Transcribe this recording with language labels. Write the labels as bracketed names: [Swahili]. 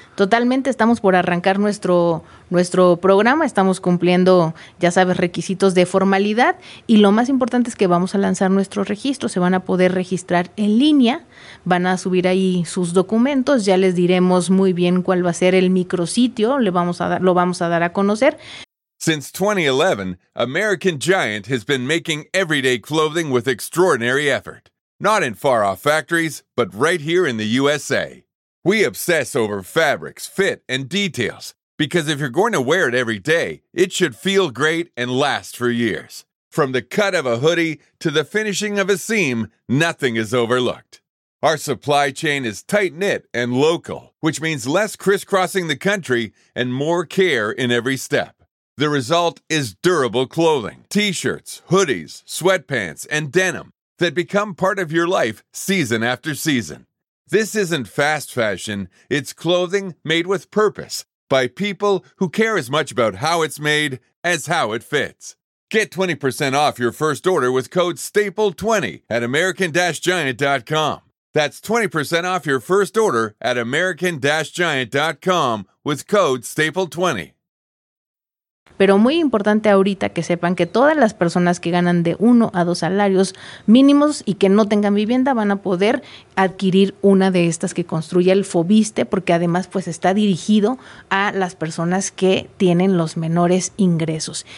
[Spanish] Totalmente, estamos por arrancar nuestro programa, estamos cumpliendo, ya sabes, requisitos de formalidad y lo más importante es que vamos a lanzar nuestro registro, se van a poder registrar en línea, van a subir ahí sus documentos, ya les diremos muy bien cuál va a ser el micrositio, lo vamos a dar a conocer. [English] Since 2011, American Giant has been making everyday clothing with extraordinary effort. Not in far-off factories, but right here in the USA. We obsess over fabrics, fit, and details, because if you're going to wear it every day, it should feel great and last for years. From the cut of a hoodie to the finishing of a seam, nothing is overlooked. Our supply chain is tight-knit and local, which means less crisscrossing the country and more care in every step. The result is durable clothing, t-shirts, hoodies, sweatpants, and denim that become part of your life season after season. This isn't fast fashion, it's clothing made with purpose by people who care as much about how it's made as how it fits. Get 20% off your first order with code STAPLE20 at American-Giant.com. That's 20% off your first order at American-Giant.com with code STAPLE20. [Spanish] Pero muy importante ahorita que sepan que todas las personas que ganan de 1 a 2 salarios mínimos y que no tengan vivienda van a poder adquirir una de estas que construye el FOVISSSTE, porque además pues está dirigido a las personas que tienen los menores ingresos.